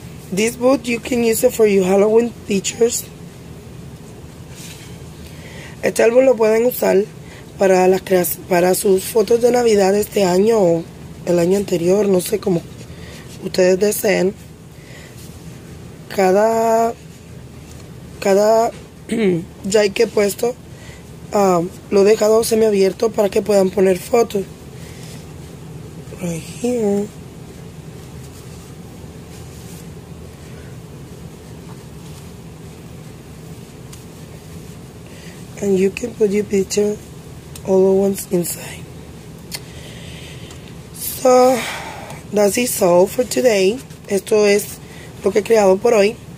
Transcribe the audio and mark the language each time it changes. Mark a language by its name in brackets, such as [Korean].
[English] This book you can use it for your Halloween pictures. [Spanish] Este álbum lo pueden usar para sus fotos de Navidad este año o el año anterior, no sé cómo ustedes deseen. Cada ya que he puesto, lo he dejado semiabierto para que puedan poner fotos. [English] Right here. And you can put your picture, all the ones inside. So, that's it all for today. [Spanish] Esto es lo que he creado por hoy.